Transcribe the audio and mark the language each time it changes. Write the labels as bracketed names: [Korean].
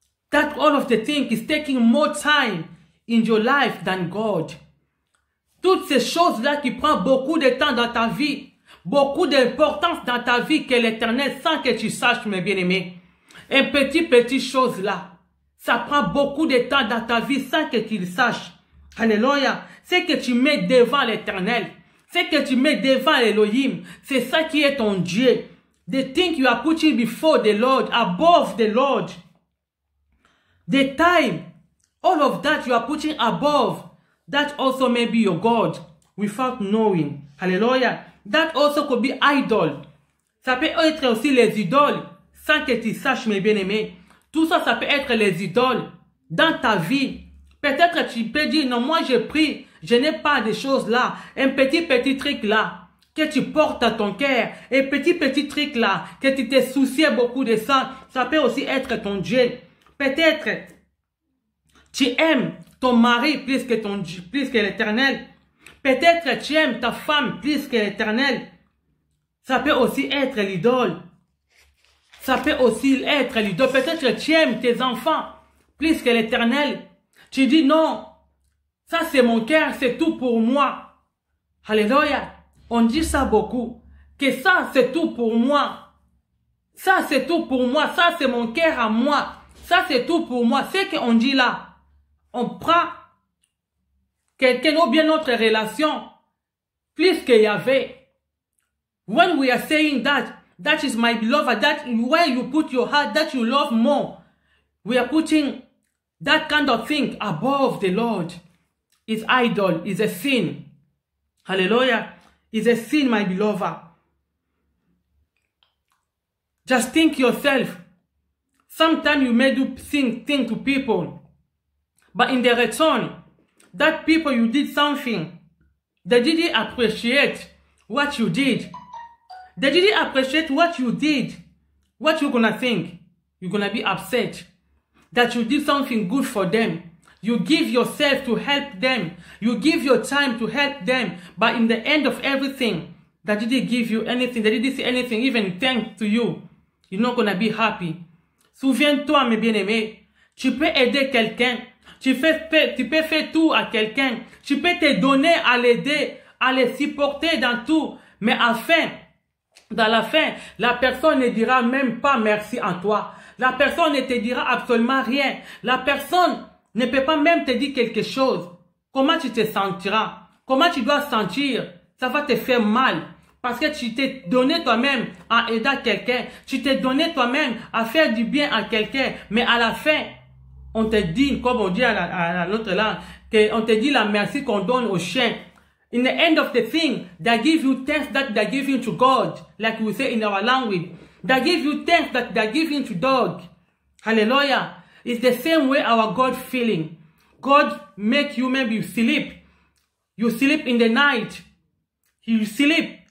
[English] That all of the thing is taking more time in your life than God. [French] Toutes ces choses-là qui prennent beaucoup de temps dans ta vie, beaucoup d'importance dans ta vie que l'Éternel, sans que tu saches, mes bien-aimés, un petit chose là, ça prend beaucoup de temps dans ta vie sans que tu le saches. Alléluia. Ce que tu mets devant l'Éternel, ce que tu mets devant Elohim, c'est ça qui est ton Dieu. The thing you are putting before the Lord, above the Lord. The time, all of that you are putting above, that also may be your God, without knowing. Alléluia. That also could be idol. Ça peut être aussi les idoles, sans que tu saches, mes bien-aimés. Tout ça, ça peut être les idoles dans ta vie. Peut-être tu peux dire, non, moi je prie, je n'ai pas de choses là. Un petit truc là, que tu portes à ton cœur. Un petit truc là, que tu te soucies beaucoup de ça. Ça peut aussi être ton Dieu. Peut-être tu aimes ton mari plus que l'Éternel. Peut-être tu aimes ta femme plus que l'Éternel. Ça peut aussi être l'idole. Ça peut aussi être l'idole. Peut-être tu aimes tes enfants plus que l'Éternel. Tu dis non, ça c'est mon cœur, c'est tout pour moi. Alléluia. On dit ça beaucoup. Que ça c'est tout pour moi. Ça c'est tout pour moi. Ça c'est mon cœur à moi. Ça c'est tout pour moi. Ce qu'on dit là, on prend quelqu'un ou bien notre relation, plus qu'il y avait. [English] When we are saying that, that is my beloved, that where you put your heart, that you love more, we are putting that kind of thing above the Lord. It's idol, it's a sin. Hallelujah. It's a sin, my beloved. Just think yourself. Sometimes you may do things to people, but in the return, that people you did something, they didn't appreciate what you did. They didn't appreciate what you did. What you gonna think? You're gonna be upset that you did something good for them. You give yourself to help them. You give your time to help them. But in the end of everything, that didn't give you anything, that didn't say anything, even thanks to you, you're not gonna be happy. [French] Souviens-toi, mes bien-aimés, tu peux aider quelqu'un, tu peux faire tout à quelqu'un, tu peux te donner à l'aider, à le supporter dans tout, mais à fin, dans la fin, la personne ne dira même pas merci à toi. La personne ne te dira absolument rien. La personne ne peut pas même te dire quelque chose. Comment tu te sentiras? Comment tu dois sentir? Ça va te faire mal. Parce que tu t'es donné toi-même à aider quelqu'un. Tu t'es donné toi-même à faire du bien à quelqu'un. Mais à la fin, on te dit, comme on dit à notre langue, qu'on te dit la merci qu'on donne aux chiens. [English] In the end of the thing, they give you thanks that they give you to God, like we say in our language. They give you thanks that they give you to God. Hallelujah. It's the same way our God feeling. God make you maybe sleep. You sleep in the night. You sleep.